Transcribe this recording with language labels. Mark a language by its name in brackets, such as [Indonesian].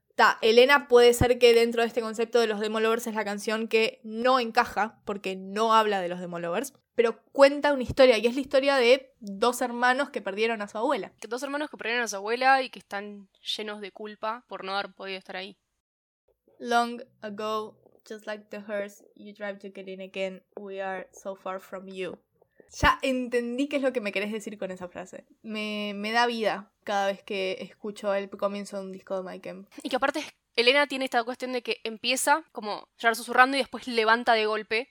[Spanish] Ta, Elena puede ser que dentro de este concepto de los Demo Lovers es la canción que no encaja, porque no habla de los Demo Lovers, pero cuenta una historia, y es la historia de 2 hermanos que perdieron a su abuela. 2 hermanos que perdieron a su abuela y que están llenos de culpa por no haber podido estar ahí. [English] Long ago, just like the hearse, you drive to get in again, we are so far from you. [Spanish] Ya entendí qué es lo que me querés decir con esa frase. Me da vida cada vez que escucho el comienzo de un disco de Mike M. Y que aparte, Elena tiene esta cuestión de que empieza como ya susurrando y después levanta de golpe.